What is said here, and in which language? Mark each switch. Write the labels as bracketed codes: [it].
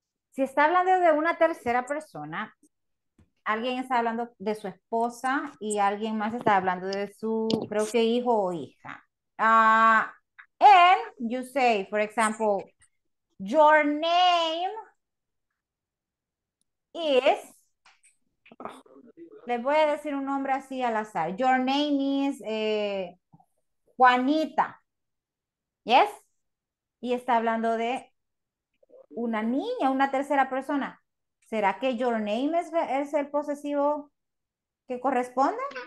[es] Si está hablando de una tercera persona, alguien está hablando de su esposa y alguien más está hablando de su, creo que hijo o hija. [en] And you say, for example, your name is... [es] Les voy a decir un nombre así al azar. [en] Your name is... [es] Juanita, [en] yes, [es] y está hablando de una niña, una tercera persona. ¿Será que [en] your name [es] es el posesivo que corresponde?